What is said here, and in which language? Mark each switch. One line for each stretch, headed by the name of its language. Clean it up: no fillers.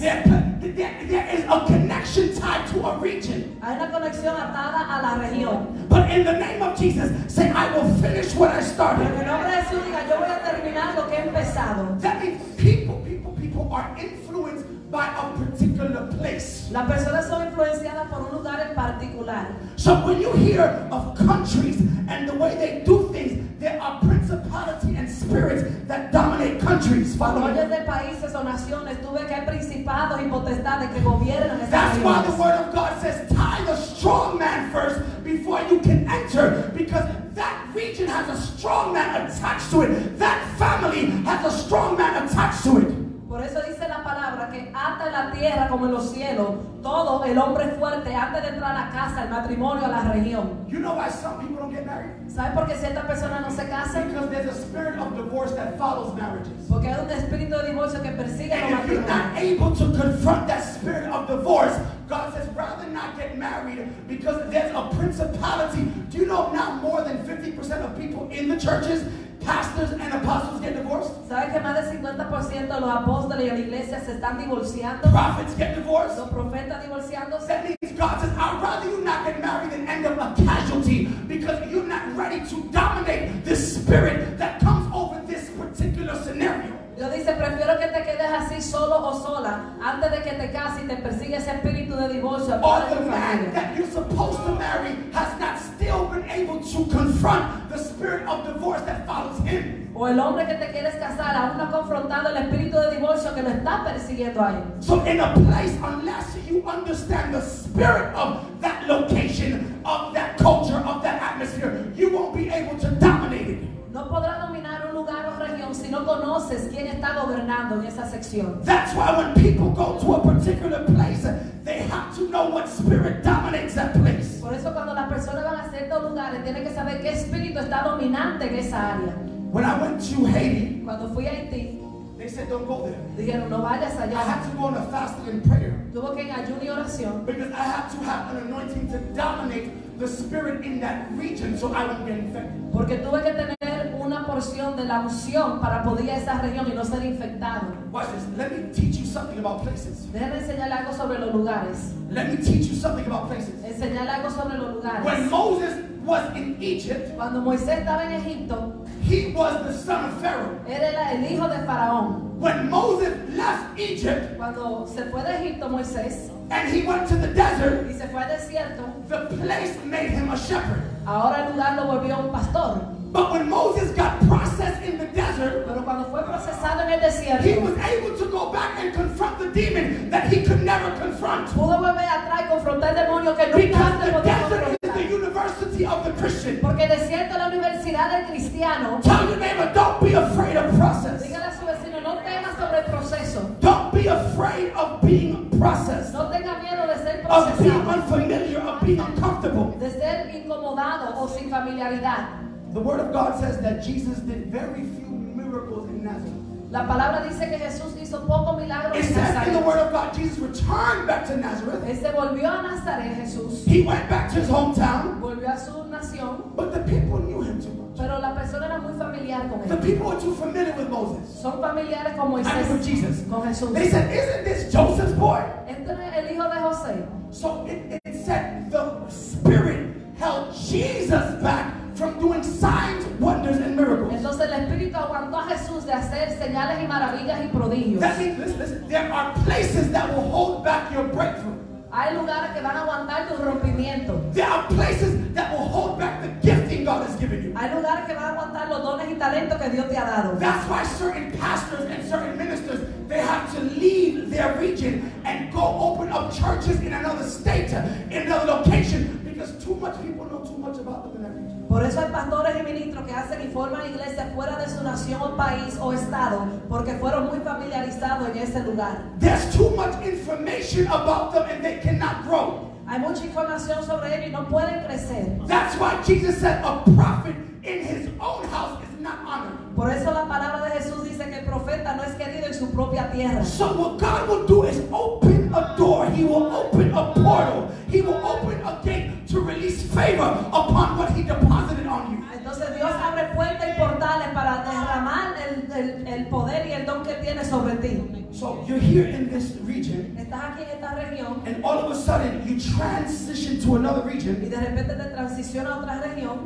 English: There is a connection tied to a region.
Spanish: Hay una conexión atada a la región.
English: But in the name of Jesus, say, I will finish what I started.
Spanish: En el nombre de Jesús, diga, yo voy a terminar lo que he empezado.
English: That means people are influenced by a particular place.
Spanish: Las personas son influenciadas por un lugar en particular.
English: So when you hear of countries and the way they do things, there are principality and spirits that dominate countries. Follow me.
Spanish: Oyes de países o naciones, tuve que hay principados y potestades que gobiernan esas.
English: That's why the word of God says, tie the strong man first before you can enter, because that region has a strong man attached to it. That family has a strong man attached to it.
Spanish: Por eso dice la palabra que ata la tierra como en los cielos, todo el hombre fuerte antes de entrar a la casa, el matrimonio, a la región.
English: You know why some people don't get married?
Spanish: ¿Sabe por qué ciertas personas no se casan?
English: Because there's a spirit of divorce that follows marriages.
Spanish: Porque hay un espíritu de divorcio que persigue a
English: And if you're not able to confront that spirit of divorce, God says rather not get married, because there's a principality. Do you know not more than 50% of people in the churches, pastors and apostles get divorced?
Spanish: ¿Sabes que más de 50% de los apóstoles y la iglesia se están divorciando?
English: Prophets get divorced.
Spanish: Los profetas divorciándose.
English: That means God says, I'd rather you not get married than end up a casualty, because you're not ready to dominate this spirit that comes over this particular scenario.
Spanish: Dios dice, prefiero que te quedes así solo o sola antes de que te cases y te persigue ese espíritu de divorcio.
English: Or the man that you're supposed to marry has not still been able to confront the spirit of divorce that follows him.
Spanish: O el hombre que te quieres casar aún no ha confrontado el espíritu de divorcio que lo está persiguiendo ahí.
English: So in a place, unless you understand the spirit of that location, of that culture, of that atmosphere, you won't be able to dominate it.
Spanish: No podrá dominar un lugar o región si no conoces quién está gobernando en esa sección.
English: That's why when people go to a particular place, they have to know what spirit dominates that place.
Spanish: Por eso cuando las personas van a ciertos lugares tienen que saber qué espíritu está dominante en esa área.
English: When I went to Haiti,
Spanish: cuando fui a Haití,
English: they said don't go there.
Spanish: Dijeron no vayas allá.
English: I had to go on a fasting and prayer.
Spanish: Tuvo que ir a ayuno y oración.
English: Because I have to have an anointing to dominate the spirit in that region, so I won't get infected.
Spanish: Porque tuve que tener una porción de la unción para poder ir a esa región y no ser infectado.
English: Watch this. Let me teach you something about places.
Spanish: Déjame enseñarle algo sobre los lugares.
English: Let me teach you something about places.
Spanish: Enseñarle algo sobre los lugares.
English: When Moses was in Egypt,
Spanish: cuando Moisés estaba en Egipto,
English: he was the son of Pharaoh.
Spanish: Él era el hijo de Faraón.
English: When Moses left Egypt,
Spanish: cuando se fue de Egipto Moisés,
English: and he went to the desert,
Spanish: y se fue al desierto,
English: the place made him a shepherd.
Spanish: Ahora el lugar lo volvió un pastor.
English: But when Moses got processed in the desert,
Spanish: pero cuando fue procesado en el desierto,
English: he was able to go back and confront the demon that he could never confront.
Spanish: Pudo volver atrás y confrontar el demonio que nunca antes podía confrontar.
English: Because the desert is the university of the Christian.
Spanish: Porque el desierto es la universidad del cristiano.
English: Tell your neighbor, don't be afraid of process.
Spanish: Dígale a su vecino, no temas sobre el proceso.
English: Don't be afraid of being processed.
Spanish: No tenga miedo de ser procesado.
English: Of being unfamiliar, of being uncomfortable.
Spanish: De ser incomodado o sin familiaridad.
English: The word of God says that Jesus did very few miracles in Nazareth.
Spanish: La palabra dice que Jesús hizo poco milagro en Nazaret.
English: It says in the word of God, Jesus returned back to Nazareth.
Spanish: Este volvió a Nazaret, Jesús.
English: He went back to his hometown.
Spanish: Volvió a su nación.
English: But the people knew him too much.
Spanish: Pero la persona era muy familiar con él.
English: The people were too familiar with Moses.
Spanish: Son familiares con Moisés.
English: I mean, with Jesus.
Spanish: Con Jesús.
English: They said, isn't this Joseph's boy?
Spanish: Este es el hijo de José.
English: So it said the spirit held Jesus back from doing signs, wonders, and miracles.
Spanish: Entonces el Espíritu aguantó a Jesús de hacer señales y maravillas y prodigios.
English: That means, listen, there are places that will hold back your breakthrough.
Spanish: Hay lugares que van a aguantar tu rompimiento.
English: There are places that will hold back the gifting God has given you.
Spanish: Hay lugares que van a aguantar los dones y talentos que Dios te ha dado.
English: That's why certain pastors and certain ministers, they have to leave their region and go open up churches in another state, in another location, because too much people know too much about them in that region.
Spanish: Por eso hay pastores y ministros que hacen y forman iglesias fuera de su nación o país o estado, porque fueron muy familiarizados en ese lugar.
English: There's too much information about them and they cannot grow.
Spanish: Hay mucha información sobre ellos y no pueden crecer.
English: That's why Jesus said a prophet in his own house is not honored.
Spanish: Por eso la palabra de Jesús dice que el profeta no es querido en su propia tierra.
English: So what God will do is open a door. He will open a portal. He will open a gate to release favor upon what he deposited on you.
Spanish: Entonces Dios abre puertas y portales para derramar el poder y el don que tiene sobre ti.
English: So you're here in this region.
Spanish: Estás aquí en esta región.
English: And all of a sudden you transition to another region.
Spanish: Y de repente te transiciona a otra región.